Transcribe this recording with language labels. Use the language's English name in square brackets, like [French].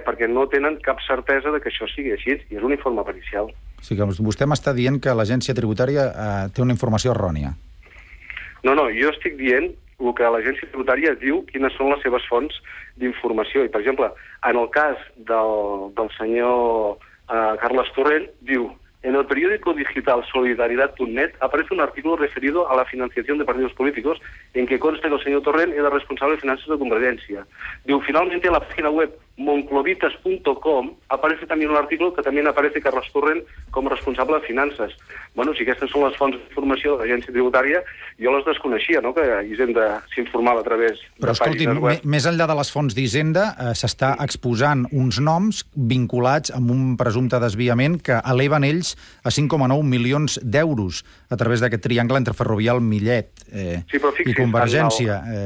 [Catalan] Perquè no tenen cap certesa de que això sigui així, i és un informe pericial. O sigui que vostè m'està dient que l'agència tributària té una informació errònia. No, jo estic dient el que l'agència tributària diu, quines són les seves fonts d'informació. I, per exemple, en el cas del senyor [Spanish] Carles Torrent, [Catalan] diu: [Spanish] en el periódico digital Solidaridad.net aparece un artículo referido a la financiación de partidos políticos en que consta que el señor Torrent era responsable de finanzas de Convergencia. Diu, finalmente, en la página web moncloditas.com aparece también un artículo que también aparece Carles Torrent [Catalan] com a responsable de finances. Bueno, si aquestes són les fonts d'informació de l'Agència Tributària, jo les desconeixia, no?, que Hisenda s'informava a través... Però, escolti, més enllà de les fonts d'Hisenda, s'està exposant uns noms vinculats amb un presumpte desviament que eleven ells a 5,9 milions d'euros a través d'aquest triangle entre Ferrovial, Millet i Convergència.